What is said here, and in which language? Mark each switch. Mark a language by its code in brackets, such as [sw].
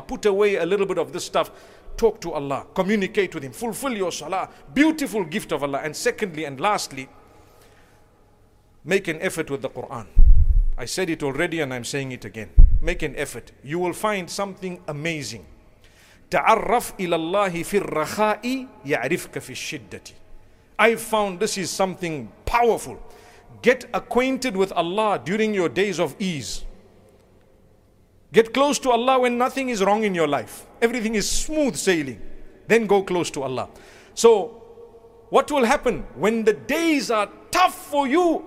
[en] Put away a little bit of this stuff. Talk to Allah. Communicate with Him. Fulfill your salah. Beautiful gift of Allah. And secondly and lastly, make an effort with the Quran. I said it already and I'm saying it again. Make an effort. You will find something amazing. [ar] تعرف إلى الله في الرخاء يعرفك في الشدة. [en] I found this is something powerful. Get acquainted with Allah during your days of ease. Get close to Allah when nothing is wrong in your life. Everything is smooth sailing. Then go close to Allah. So what will happen when the days are tough for you?